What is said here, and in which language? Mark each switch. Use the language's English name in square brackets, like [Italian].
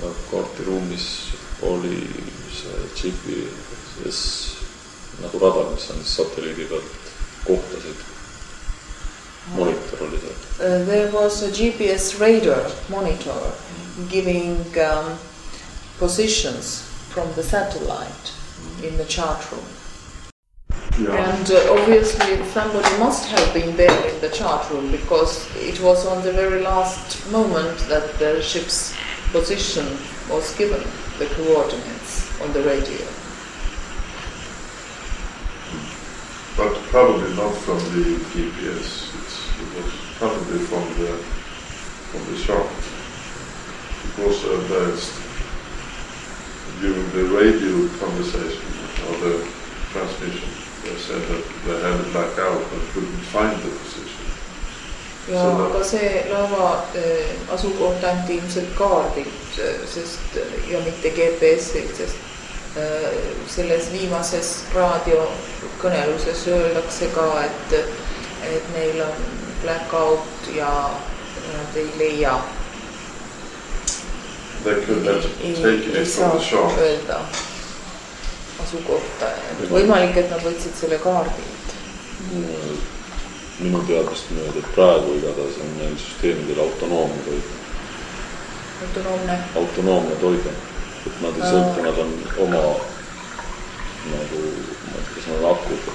[Estonian] Kaardiruumis oli see GPS nagu radar, mis on satelliidi pealt kohtasid. Monitor oli see. [English] There was a GPS radar monitor giving positions from the satellite in the chart room. Yeah. And obviously somebody must have been there in the chart room because it was on the very last moment that the ship's position was given, the coordinates on the radio. But probably not from the GPS, it was probably from the chart. Because during the radio conversation or the transmission, they said that they had it back out but couldn't find the position. [Estonian] Ja so aga see laeva asukoht anti ilmselt kaardilt, sest ja mitte GPS-ilt, sest selles viimases raadiokõneluses öeldakse ka, et neil on blackout ja nad ei leia. [English] They could have taken it from the shark. [Estonian] Öelda. Asukohta. Et võimalik, et nad võtsid selle kaardilt. Minu teadmist mööda, et praegu igatahes on meil süsteemidel autonoomne toide. Autonoomne? Autonoomne toide. Et nad ei sõltu, nad on oma, nagu, ma ei tea, kas nad on akku.